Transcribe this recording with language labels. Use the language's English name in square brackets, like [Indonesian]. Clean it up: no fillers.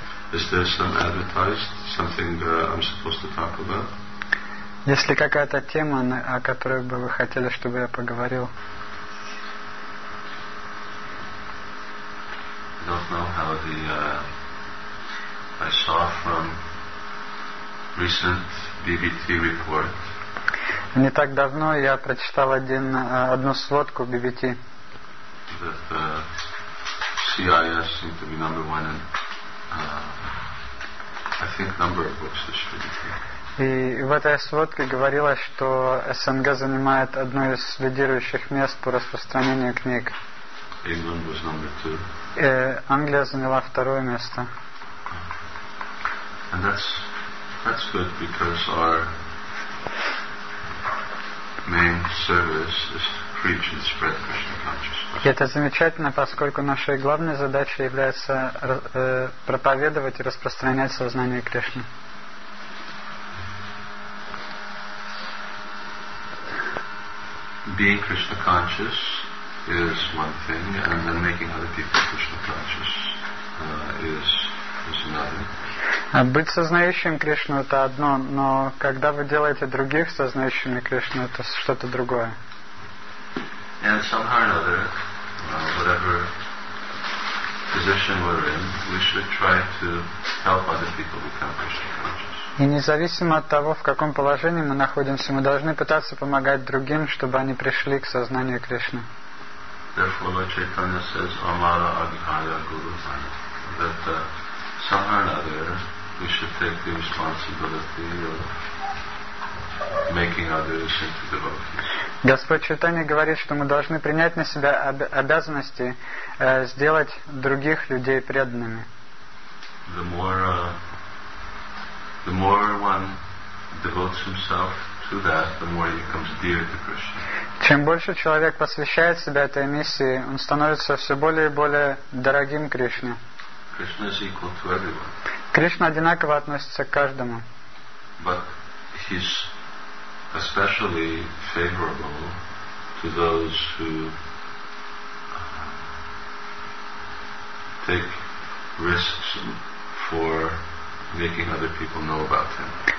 [English] Is there some advertised something I'm supposed to talk about? [Russian] Есть ли какая-то тема, о которой бы вы хотели, чтобы я поговорил? [English] I saw from recent BBT report. [Russian] Не так давно я прочитал одну сводку BBT. [English] That CIS seemed to be number one in, I think, number of books this year. [Russian] И в этой сводке говорилось, что СНГ занимает одно из лидирующих мест по распространению книг. [English] England was number two. [Russian] Англия заняла второе место. [English] And that's good, because our main service is to preach and spread Krishna consciousness. [Russian] Это замечательно, поскольку нашей главной задачей является проповедовать и распространять сознание Кришны. [English] Being Krishna conscious is one thing, and then making other people Krishna conscious is another. [Russian] Быть сознающим Кришну — это одно, но когда вы делаете других сознающими Кришну — это что-то другое. [English] And somehow or another, whatever position we're in, we should try to help other people become Krishna conscious. [Russian] И независимо от того, в каком положении мы находимся, мы должны пытаться помогать другим, чтобы они пришли к сознанию Кришны. [English] Therefore, Lord Chaitanya says, [Sanskrit] Amara Agnaya Guru Mani, [English] that somehow or another, we should take the responsibility of making others into devotees. [Russian] Господь Чайтанья говорит, что мы должны принять на себя обязанности сделать других людей преданными. [English] The more one devotes himself to that, the more he becomes dear to Krishna. [Russian] Чем больше человек посвящает себя этой миссии, он становится все более и более дорогим Кришне. [English] Krishna is equal to everyone. [Russian] Кришна одинаково относится к каждому. [English] But he's especially favorable to those who take risks for making other people know about him.